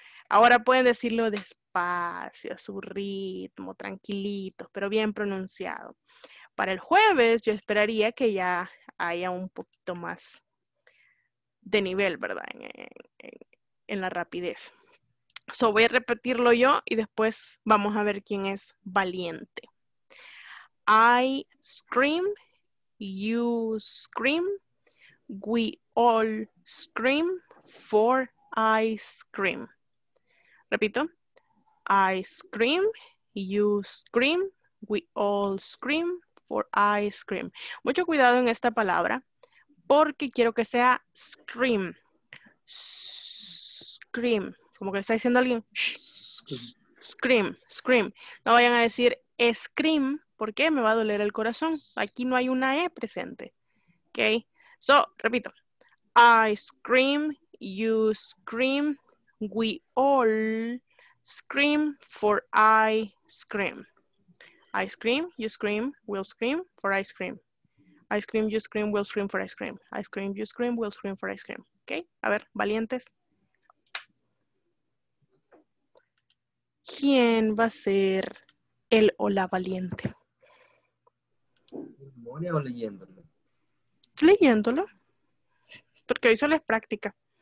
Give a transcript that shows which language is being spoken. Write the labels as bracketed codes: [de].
[es] Ahora pueden decirlo despacio, a su ritmo, tranquilito, pero bien pronunciado. Para el jueves yo esperaría que ya haya un poquito más de nivel, ¿verdad? En la rapidez. So, voy a repetirlo yo y después vamos a ver quién es valiente. [en] I scream, you scream, we all scream for ice cream. [es] Repito. [en] I scream, you scream, we all scream for ice cream. [es] Mucho cuidado en esta palabra. Porque quiero que sea scream. Scream. Como que le está diciendo alguien. Scream. Scream. No vayan a decir scream. Porque me va a doler el corazón. Aquí no hay una E presente. Ok. So, repito. [en] I scream. You scream. We all scream for ice cream. I scream. You scream. We'll scream for ice cream. Ice cream, you scream, we'll scream for ice cream. Ice cream, you scream, we'll scream for ice cream. [es] Ok, a ver, valientes. ¿Quién va a ser el o la valiente? ¿Memoria o leyéndolo? Leyéndolo. Porque hoy solo es práctica.